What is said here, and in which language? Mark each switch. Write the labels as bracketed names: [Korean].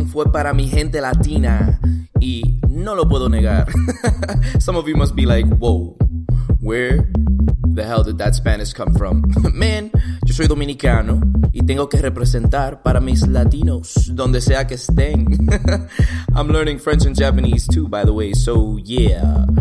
[Spanish] Para mi gente latina, y no lo puedo negar. [English] Some of you must be like, whoa, where the hell did that Spanish come from? [Spanish] Man, yo soy dominicano y tengo que representar para mis latinos donde sea que estén. [English] I'm learning French and Japanese too, by the way, so yeah.